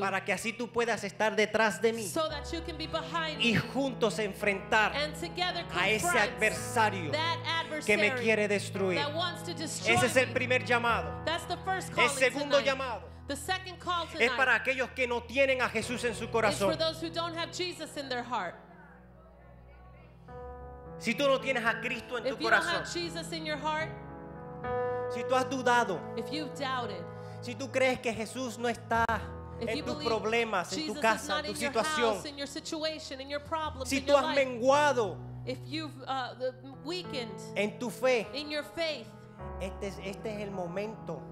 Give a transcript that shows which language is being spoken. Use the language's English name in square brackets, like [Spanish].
[Spanish] para que así tú puedas estar detrás de mí, [English] so that you can be behind [Spanish] y juntos enfrentar [English] and together [Spanish] a ese adversario [English] that adversary [Spanish] que me quiere destruir. [English] That wants to destroy [Spanish] ese es el primer [English] me. [Spanish] Llamado. [English] That's the first calling [Spanish] el segundo [English] tonight. [Spanish] Llamado [English] the second call tonight [Spanish] es para aquellos que no tienen a Jesús en su corazón. [English] It's for those who don't have Jesus in their heart. [Spanish] Si tú no tienes a Cristo en [English] if [Spanish] tu corazón, [English] if you don't have Jesus in your heart, [Spanish] si tú has dudado, [English] if you've doubted, [Spanish] si tú crees que Jesús no está en tus problemas, [English] Jesus [Spanish] en tu casa, en tu situación, [English] house, in your situation, in your problems, [Spanish] si [English] in [Spanish] tú [English] your [Spanish] has [English] life, [Spanish] menguado [English] if you've, weakened, [Spanish] en tu fe, [English] in your faith, [Spanish] este es el momento